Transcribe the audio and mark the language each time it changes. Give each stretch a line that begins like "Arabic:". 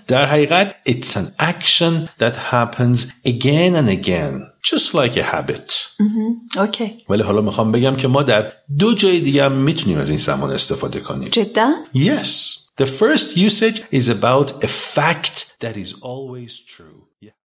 Persian: در حقیقت
English: It's an action that happens again and again. Just like a habit. Okay.
Persian: ولی حالا میخوام بگم که ما در دو جای دیگه هم میتونیم از این زمان استفاده کنیم. جدا؟
English: Yes. The first usage is about a fact that is always true. Yeah.